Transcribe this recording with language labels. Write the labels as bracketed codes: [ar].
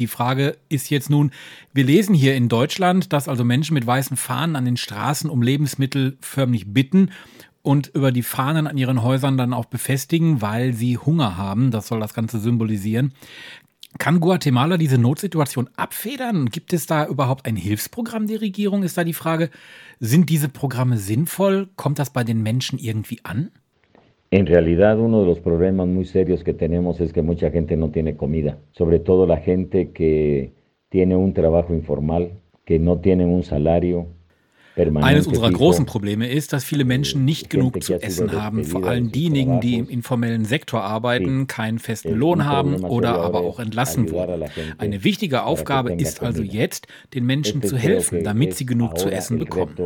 [de] Die Frage ist jetzt nun, wir lesen hier in Deutschland, dass also Menschen mit weißen Fahnen an den Straßen um Lebensmittel förmlich bitten und über die Fahnen an ihren Häusern dann auch befestigen, weil sie Hunger haben. Das soll das Ganze symbolisieren. Kann Guatemala diese Notsituation abfedern? Gibt es da überhaupt ein Hilfsprogramm der Regierung, ist da die Frage. Sind diese Programme sinnvoll? Kommt das bei den Menschen irgendwie an? [es] En realidad, uno de los problemas muy serios que tenemos es que mucha gente no tiene comida. Sobre todo la gente que tiene un trabajo informal, que no tiene un salario. [de] Eines unserer großen Probleme ist, dass viele Menschen nicht genug zu essen haben, vor allem diejenigen, die im informellen Sektor arbeiten, keinen festen Lohn haben oder aber auch entlassen wurden. Eine wichtige Aufgabe ist also jetzt, den Menschen zu helfen, damit sie genug zu essen bekommen.